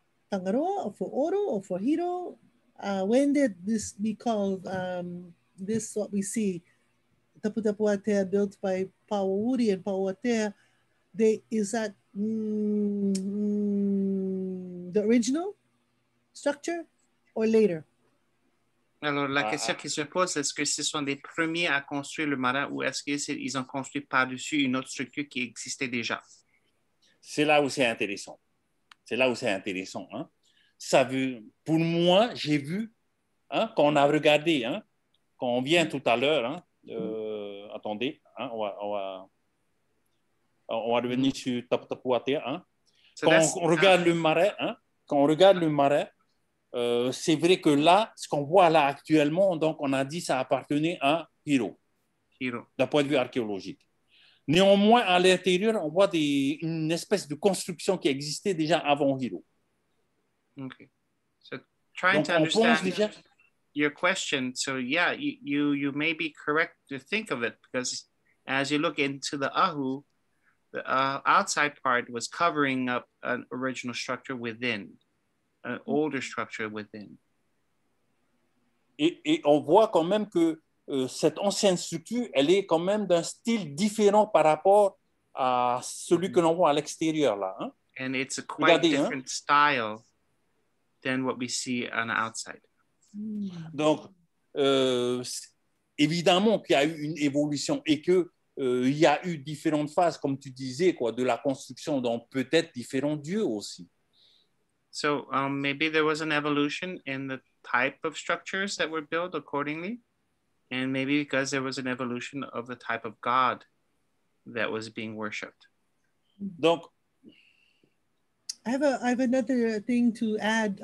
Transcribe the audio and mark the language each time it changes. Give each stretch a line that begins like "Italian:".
English: Tangaroa, or for Oro, or for Hiro? When did this be called, this what we see, Taputapuātea built by Pauuri and Pauatea, is that the original structure, or later?
French: Alors, la question qui se pose, est-ce que ce sont les premiers à construire le marais, ou est-ce qu'ils ont construit par-dessus une autre structure qui existait déjà? C'est là où c'est intéressant. C'est là où c'est intéressant. Hein? Ça veut, pour moi, j'ai vu, hein, quand on a regardé, hein, quand on vient tout à l'heure, hein, attendez, hein, on va revenir sur Taputapuātea. Hein? Quand on regarde le marais, c'est vrai que là, ce qu'on voit là actuellement, donc on a dit ça appartenait à Hiro, d'un point de vue archéologique. Néanmoins, à l'intérieur, on voit une espèce de construction qui existait déjà avant Hiro. OK.
English: So trying donc, to understand your question, so yeah, you may be correct to think of it, because as you look into the ahu, the outside part was covering up an original structure within, an older structure within.
French: Et on voit quand même que cette ancienne structure, elle est quand même d'un style différent par rapport à celui que l'on voit à l'extérieur, là. Hein?
English: And it's a quite
French: regardez,
English: different hein? style than what we see on the outside.
French: Donc, évidemment qu'il y a eu une évolution et qu'il y a eu différentes phases, comme tu disais, quoi, de la construction, donc peut-être différents dieux aussi.
English: So, maybe there was an evolution in the type of structures that were built accordingly. And maybe because there was an evolution of the type of god that was being worshipped.
French: Donc,
English: I have another thing to add.